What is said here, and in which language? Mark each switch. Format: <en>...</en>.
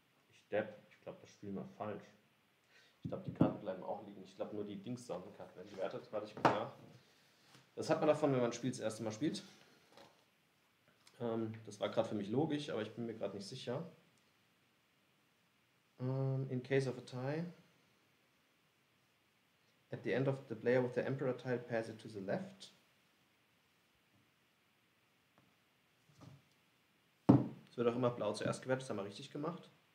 <de>Ich glaube, das spielen wir falsch. Ich glaube, die Karten bleiben auch liegen. Ich glaube, nur die Dings-Sonnenkarten werden gewertet. Warte, ich guck nach. Das hat man davon, wenn man ein Spiel das erste Mal spielt. Das war gerade für mich logisch, aber ich bin mir gerade nicht sicher.</de> <en>In case of a tie, at the end of the player with the emperor tile, pass it to the left.</en> <de>Wird auch immer blau zuerst gewertet, das haben wir richtig gemacht.</de>